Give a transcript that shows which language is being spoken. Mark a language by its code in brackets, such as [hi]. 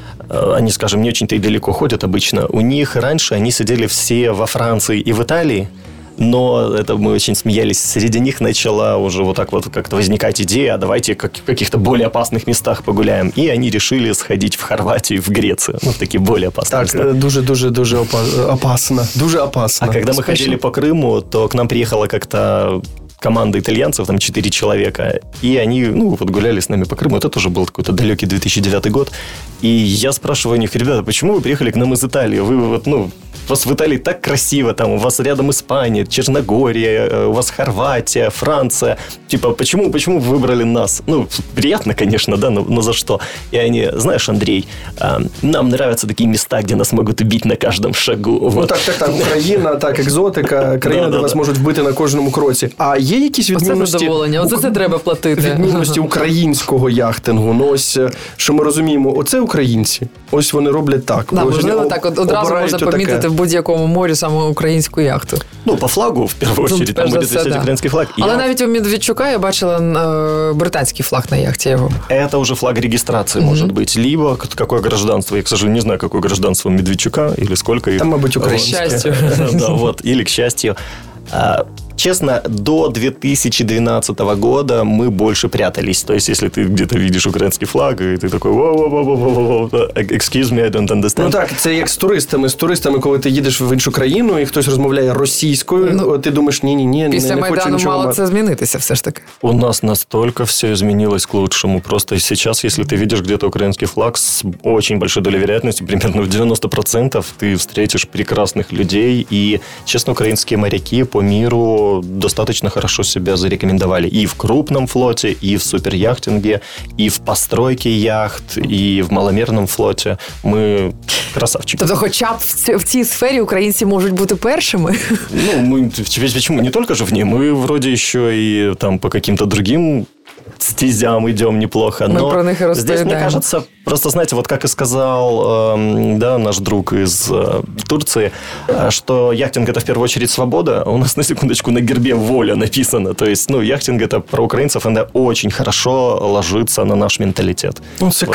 [ru] Они, скажем, не очень-то и далеко ходят обычно. У них раньше они сидели все во Франции и в Италии, но это мы очень смеялись. Среди них начала уже вот так вот как-то возникать идея, а давайте в каких-то более опасных местах погуляем. И они решили сходить в Хорватию и в Грецию. Ну, в такие более опасные так, места. Так, [uk] дуже-дуже-дуже [ru] опасно. [uk] Дуже [ru] опасно. А когда мы ходили по Крыму, то к нам приехала как-то... команда итальянцев, там 4 человека, и они, ну, вот гуляли с нами по Крыму, вот это уже был какой-то далекий 2009 год, и я спрашиваю у них: ребята, почему вы приехали к нам из Италии? Вы вот, ну, у вас в Италии так красиво, там, у вас рядом Испания, Черногория, у вас Хорватия, Франция, типа, почему вы выбрали нас? Ну, приятно, конечно, да, но за что? И они: знаешь, Андрей, нам нравятся такие места, где нас могут убить на каждом шагу. Вот. Ну, так, Украина, так, экзотика, [uk] країна, де нас можуть вбити на кожному кроці. А є якісь відмінності? Оце задоволення, оце це треба платити. Відмінності українського яхтингу, ну ось, що ми розуміємо, оце українці, ось вони роблять так. Да, можливо, так, одразу можна помітити в будь-якому морі саме українську яхту. Ну, по флагу, в першу чергу, там буде висіти український флаг. Але навіть у Медведчука я бачила британський флаг на яхті його. Це вже флаг регістрації, може бути, либо яке громадянство, я, [ru] к сожалению, [uk] не знаю, яке громадянство Медведчука, [ru] или сколько [uk] їх. Там, мабуть, українське. К щастю. [ru] Честно, до 2012 года мы больше прятались. То есть, если ты где-то видишь украинский флаг, и ты такой, [en] excuse me, I don't understand. [uk] Ну так, це як з туристами. З туристами, коли ти їдеш в іншу країну, і хтось розмовляє російською, ну, ти думаєш, ні-ні-ні, не хочу нічого. Після Майдану мало це змінитися все ж таки. У нас настільки все змінилось [ru] к лучшему. Просто сейчас, если ты видишь где-то украинский флаг, с очень большой долей вероятности, примерно в 90%, ты встретишь прекрасных людей. И, честно, украинские моряки по миру достаточно хорошо себя зарекомендовали и в крупном флоте, и в суперяхтинге, и в постройке яхт, и в маломерном флоте. Мы красавчики. [uk] Тобто хоча б в цій сфері українці можуть бути першими? Ну, ми, чому? Не тільки ж в ній. Ми, вроді, ще і там [ru] по каким-то другим стезям [uk] йдемо неплохо. Ми про них розповідаємо. [ru] Здесь, [uk] мені [ru] кажется, Просто, знаете, вот как и сказал наш друг из Турции, что яхтинг – это в первую очередь свобода. У нас, на секундочку, на гербе воля написано. То есть, ну, яхтинг – это про украинцев, и это очень хорошо ложится на наш менталитет. Ну, это вот.